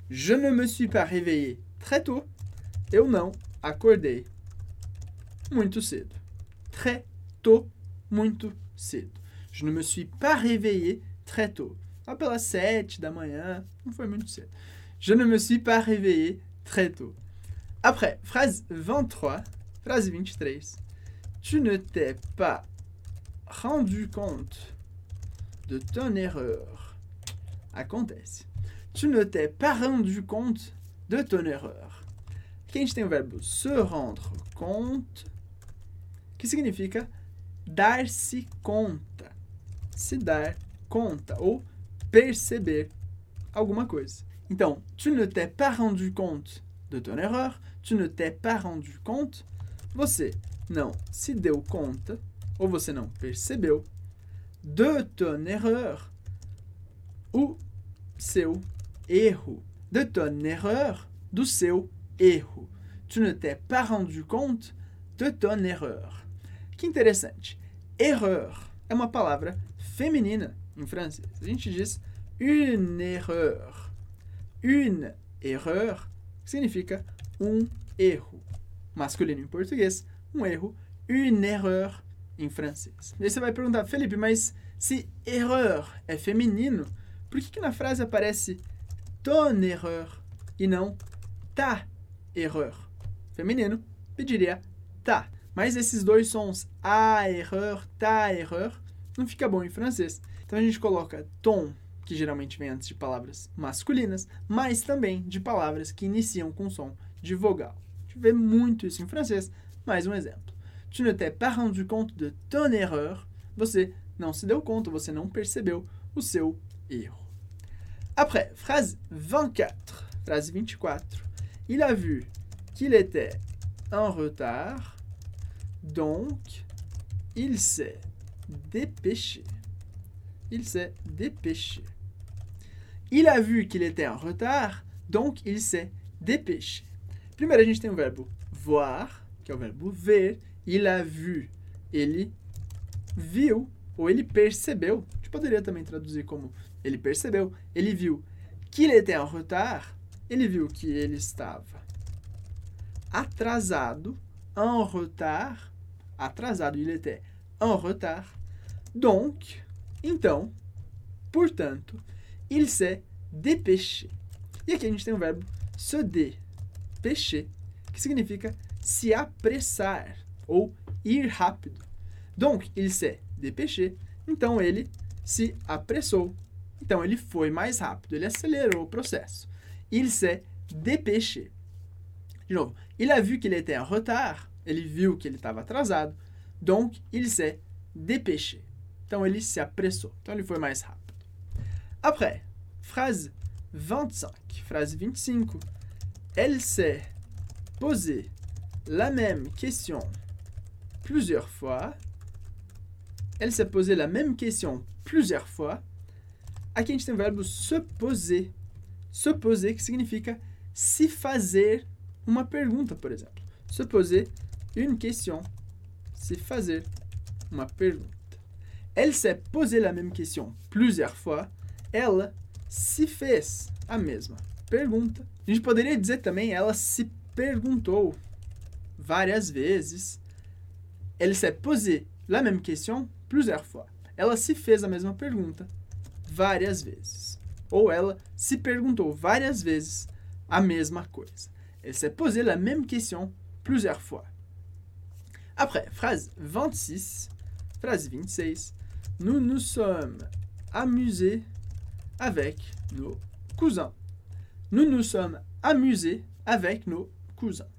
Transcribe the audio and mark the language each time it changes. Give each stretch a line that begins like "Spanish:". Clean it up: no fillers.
French: Je ne me suis pas réveillé très tôt.
Portuguese: Eu não acordei muito cedo.
French: Très tôt,
Portuguese: muito cedo.
French: Je ne me suis pas réveillé très tôt.
Portuguese: Lá pelas 7 da manhã, não foi muito cedo.
French: Je ne me suis pas réveillé très tôt. Après, phrase 23, phrase 23. Tu ne t'es pas rendu compte de ton erreur.
Portuguese: Acontece.
French: Tu ne t'es pas rendu compte de ton erreur.
Portuguese: Aqui a gente tem o verbo se rendre compte, que significa dar-se conta. Se dar conta ou perceber alguma coisa. Então,
French: tu ne t'es pas rendu compte de ton erreur. Tu ne t'es pas rendu compte.
Portuguese: Você não se deu conta ou você não percebeu
French: de ton erreur
Portuguese: ou seu erro.
French: De ton erreur,
Portuguese: do seu erro.
French: Tu ne t'es pas rendu compte de ton erreur.
Portuguese: Que interessante. Erreur é uma palavra feminina em francês. A gente diz une erreur. Une erreur significa um erro. Masculino em português, um erro. Une erreur em francês. E aí você vai perguntar, Felipe, mas se erreur é feminino, por que na frase aparece
French: ton erreur
Portuguese: e não
French: ta erreur.
Portuguese: Feminino, pediria ta. Mas esses dois sons,
French: a erreur, ta erreur,
Portuguese: não fica bom em francês. Então a gente coloca ton, que geralmente vem antes de palavras masculinas, mas também de palavras que iniciam com som de vogal. A gente vê muito isso em francês. Mais um exemplo.
French: Tu ne t'es pas rendu compte de ton erreur.
Portuguese: Você não se deu conta, você não percebeu o seu erro.
French: Après, phrase 24. Phrase 24. Il a vu qu'il était en retard, donc il s'est dépêché. Il s'est dépêché. Il a vu qu'il était en retard, donc il s'est dépêché.
Portuguese: Primeiro, a gente tem o verbo voir, que é o verbo ver. Il a vu. Ele viu, ou ele percebeu. A gente poderia também traduzir como ele percebeu. Ele viu
French: qu'il était en retard.
Portuguese: Ele viu que ele estava atrasado,
French: en retard,
Portuguese: atrasado,
French: il était en retard. Donc,
Portuguese: então, portanto,
French: il s'est dépêché. E aqui a gente tem o verbo se dépêcher, que significa se apressar ou ir rápido. Donc, il s'est dépêché.
Portuguese: Então, ele se apressou. Então, ele foi mais rápido, ele acelerou o processo.
French: Il s'est dépêché.
Portuguese: De novo,
French: il a vu qu'il était en retard,
Portuguese: ele viu que ele estava atrasado,
French: donc il s'est dépêché.
Portuguese: Então ele se apressou, então ele foi mais rápido.
French: Après, phrase 25. Phrase 25. Elle s'est posée la même question plusieurs fois. Elle s'est posée la même question plusieurs fois.
Portuguese: Aqui a gente tem o verbo se poser. Se poser, que significa se fazer uma pergunta, por exemplo.
French: Se poser une question.
Portuguese: Se fazer uma pergunta.
French: Elle s'est posée la même question plusieurs fois.
Portuguese: Ela se fez a mesma pergunta. A gente poderia dizer também ela se perguntou várias vezes.
French: Elle s'est posée la même question plusieurs fois.
Portuguese: Ela se fez a mesma pergunta várias vezes. Ou ela se perguntou várias vezes a mesma coisa.
French: Elle s'est posé la même question plusieurs fois. Après, phrase 26. Phrase 26. Nous nous sommes amusés avec nos cousins. Nous nous sommes amusés avec nos cousins.